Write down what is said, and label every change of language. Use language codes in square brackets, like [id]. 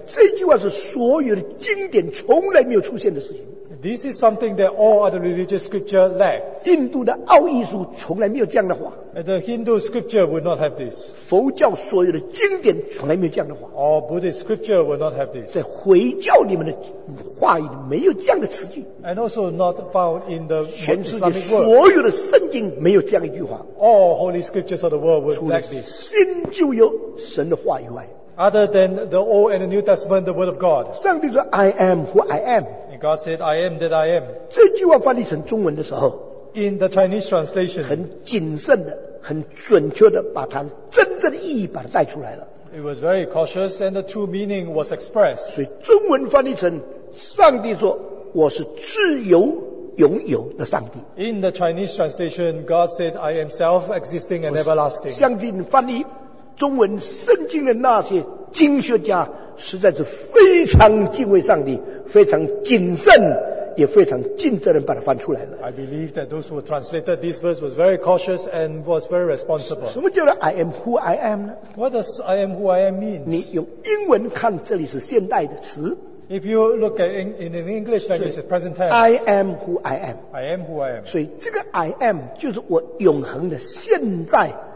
[zh] 这句话是所有的经典从来没有出现的事情。 [en] This is something that all other religious scripture lack. [zh] 印度的奥义书从来没有这样的话。 [en] The Hindu scripture would not have this. [zh] 佛教所有的经典从来没有这样的话。 [en] All Buddhist scripture would not have this. [zh] 在回教里面的话语没有这样的词句。 [en] And also not found in the Islamic world. [zh] 全世界所有的圣经没有这样一句话。 [en] All holy scriptures of the world would lack this. [zh] 除了新旧约神的话以外。 [en] Other than the Old and the New Testament, the Word of God. [zh] 上帝说, [en] I am who I am. And God said, I am that I am. [zh] 这句话翻译成中文的时候, [en] in the Chinese translation, [zh] 很谨慎的, 很准确的把它真正的意义把它带出来了。 [en] It was very cautious and the true meaning was expressed. [zh] 所以中文翻译成, 上帝说, 我是自由, [en] in the Chinese translation, God said, I am self-existing and everlasting. [zh] 相信翻译, 中文圣经的那些经学家实在是非常敬畏上帝，非常谨慎，也非常尽责任把它翻出来了。 [en] I believe that those who translated this verse was very cautious and was very responsible. [zh] 什么叫做 [en] I am who I am [zh] 呢？ [en] What does I am who I am mean? [zh] 你用英文看，这里是现代的词。 [en] If you look at in an English language, it's present tense. I am who I am. I am who I am. [zh] 所以这个 I am 就是我永恒的现在。